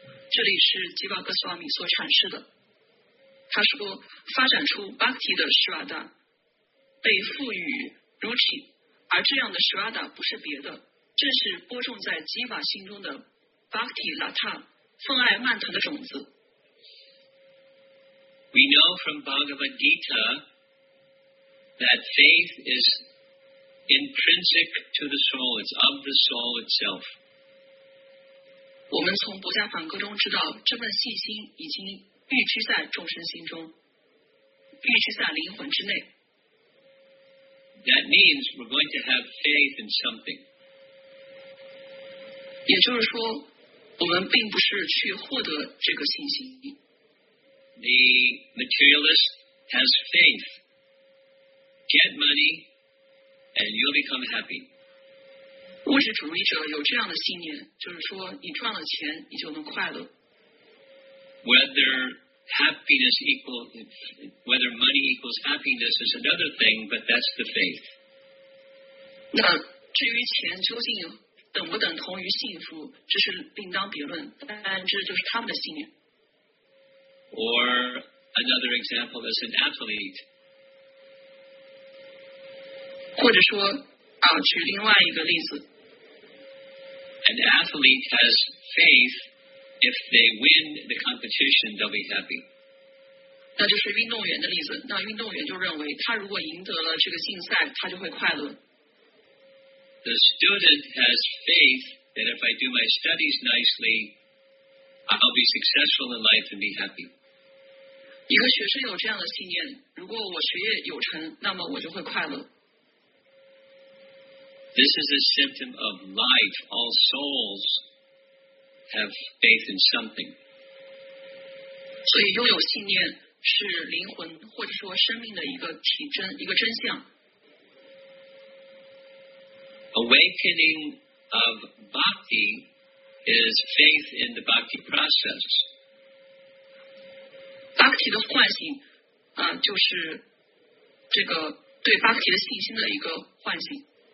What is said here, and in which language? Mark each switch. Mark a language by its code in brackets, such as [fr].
[zh] 这里是 Jiva Goswami 所阐释的。他说，发展出 Bhakti 的 Shraddha 被赋予 Ruchi， 而这样的 Shraddha 不是别的，正是播种在 Jiva 心中的。 Bhakti Lata, 奉爱蔓藤的种子。 [en] We know from Bhagavad Gita that faith is intrinsic to the soul, it's of the soul itself. [zh] 我们从《博伽梵歌》中知道，这份信心已经预知在众生心中，预知在灵魂之内。 [en] That means we're going to have faith in something. [zh] 也就是说我们并不是去获得这个信心。 [en] The materialist has faith. Get money, and you'll become happy. [zh] 物质主义者有这样的信念，就是说，你赚了钱，你就能快乐。 [en] Whether money equals happiness is another thing, but that's the faith. [zh] 那至于钱究竟有？等不等同于幸福，这是另当别论，但这就是他们的信念。 [en] Or another example is an athlete. [zh] 或者说，举另外一个例子。 [en] An athlete has faith if they win the competition, they'll be happy. [zh] 那就是运动员的例子。那运动员就认为，他如果赢得了这个竞赛，他就会快乐。 [en] The student has faith that if I do my studies nicely, I'll be successful in life and be happy. [zh] 一个学生有这样的信念，如果我学业有成，那么我就会快乐。 [en] This is a symptom of life. All souls have faith in something. [zh] 所以拥有信念是灵魂或者说生命的一个体征，一个真相。 [en] Awakening of bhakti is faith in the bhakti process. [zh] Bhakti 的唤醒、就是这个对 Bhakti 的信心的一个唤醒。